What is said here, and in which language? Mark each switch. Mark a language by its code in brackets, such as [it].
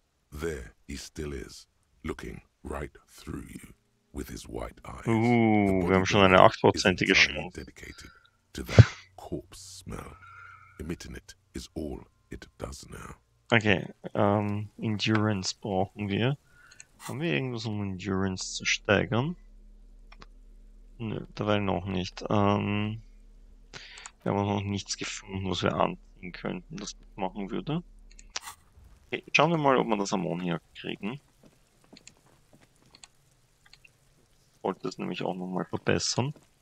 [en] There, he still is, looking right through you, with his white eyes. [de] Wir haben schon eine 8%ige Chance. [en] Dedicated to that corpse smell. Emitting it is all it does now. [de] Okay, Endurance brauchen wir. Haben wir irgendwas, um Endurance zu steigern? Nö, dabei noch nicht. Wir haben noch nichts gefunden, was wir anziehen könnten, das machen würde. Okay, schauen wir mal, ob wir das Ammoniak kriegen. Ich wollte das nämlich auch nochmal verbessern.